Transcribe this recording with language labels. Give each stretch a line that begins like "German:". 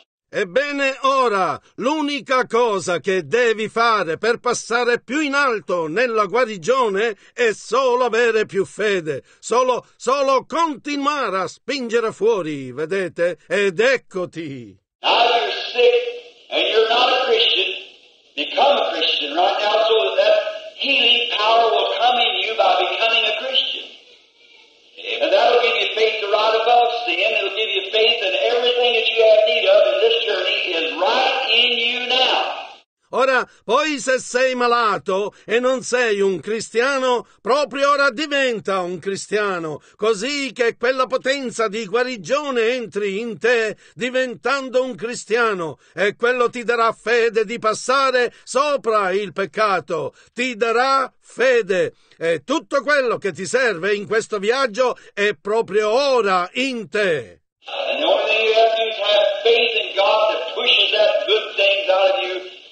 Italian: Ebbene, ora, l'unica cosa che devi fare per passare più in alto nella guarigione è solo avere più fede, solo continuare a spingere fuori, vedete? Ed eccoti!
English: Now you're sick and you're not a Christian, become a Christian right now so that healing power will come in you by becoming a Christian. And that'll give you faith to ride above sin. It'll give you faith in everything that you have need of in this journey is right in you now.
Italian: Ora, poi se sei malato e non sei un cristiano, proprio ora diventa un cristiano, così che quella potenza di guarigione entri in te diventando un cristiano e quello ti darà fede di passare sopra il peccato, ti darà fede e tutto quello che ti serve in questo viaggio è proprio ora in te.
English: And the only thing you have to do is have faith in God that pushes that good thing out of you.